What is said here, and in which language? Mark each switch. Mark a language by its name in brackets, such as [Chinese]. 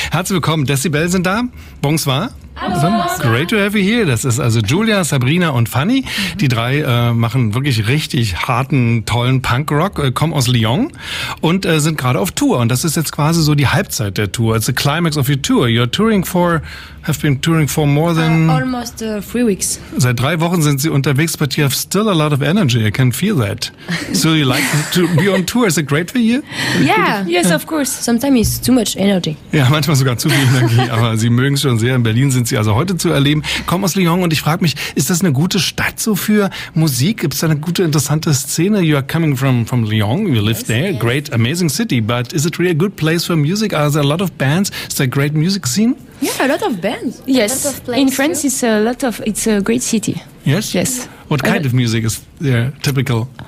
[German] Herzlich willkommen. Decibel sind da. Bonsoir. So, [English] great to have you here. [German] Das ist also Julia, Sabrina und Fanny. Mhm. Die drei machen wirklich richtig harten, tollen Punkrock, kommen aus Lyon und sind gerade auf Tour. Und das ist jetzt quasi so die Halbzeit der Tour. [English] It's the climax of your tour. You're touring for, have been touring for more than... Almost 3 weeks. [German] Seit 3 Wochen sind sie unterwegs, [English] but you have still a lot of energy. I can feel that. So you like to be on tour. Is it great for you? Yeah, yes, of course. Sometimes it's too much energy. [German] Ja, manchmal sogar zu viel Energie, aber sie mögen es schon sehr. In Berlin sind sie also heute zu erleben. Kommen aus Lyon und ich frage mich, ist das eine gute Stadt so für Musik? Gibt es da eine gute, interessante Szene? [English] You are coming from Lyon, you live there. Great, amazing city. But is it really a good place for music? Are there a lot of bands? Is there a great music scene? Yeah, a lot of bands. Yes, in France too. It's a great city. Yes? Yes. What kind of music is there, typical?